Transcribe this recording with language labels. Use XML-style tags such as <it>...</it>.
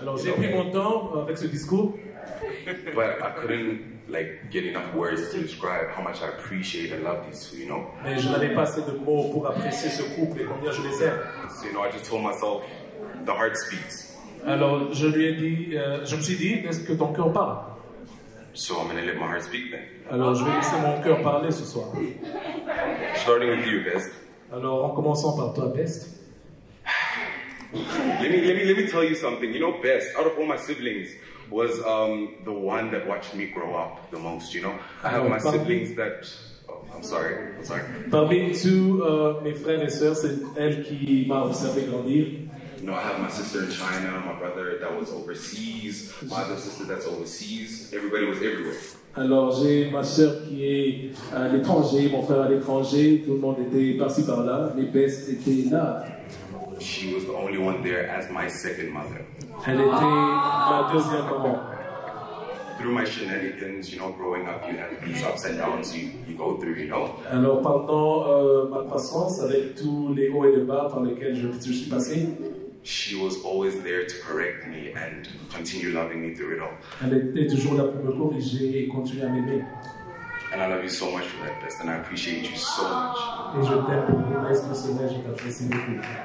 <fr>Alors j'ai pris mon temps avec ce discours.</fr> <en>But I couldn't like get enough words to describe how much I appreciate and love these two, you know.</en> <fr>Mais je n'avais pas assez de mots pour apprécier ce couple et combien je les aime.</fr> <en>So, you know, I just told myself the heart speaks.</en> <fr>Alors je lui ai dit, je me suis dit, est-ce que ton cœur parle?</fr> <en>So I'm gonna let my heart speak then.</en> <fr>Alors je vais laisser mon cœur parler ce soir.</fr> <en>Starting with you, Best.</en> <fr>Alors en commençant par toi, Best.</fr> <en>Let me tell you something. You know, Bess, out of all my siblings, was the one that watched me grow up the most, you know? I have my siblings that... I'm sorry.</en> <fr>Parmi tous mes frères et sœurs, c'est elle qui m'a observé grandir.</fr> <en>No, I have my sister in China, my brother that was overseas, my other sister that's overseas. Everybody was everywhere.</en> <fr>Alors j'ai ma sœur qui est à l'étranger, mon frère à l'étranger, tout le monde était par-ci par-là, mais Bess était là.</fr> <en>She was the only one there as my second mother.</en> <fr>Elle était ma deuxième maman.</fr> <en>Through my shenanigans, you know, growing up, you have these ups and downs you go through, you know.</en> <fr>Alors pendant ma croissance, avec tous les hauts et les bas par lesquels je suis passé.</fr> <en>She was always there to correct me and continue loving me through it all.</en> <fr>Elle était toujours là pour me corriger et continuer à m'aimer.</fr> <en>And I love you so much for that, Bess, and I appreciate you so much.</en> <fr>Et je t'aime pour le reste de ce que je t'apprécie beaucoup.</fr>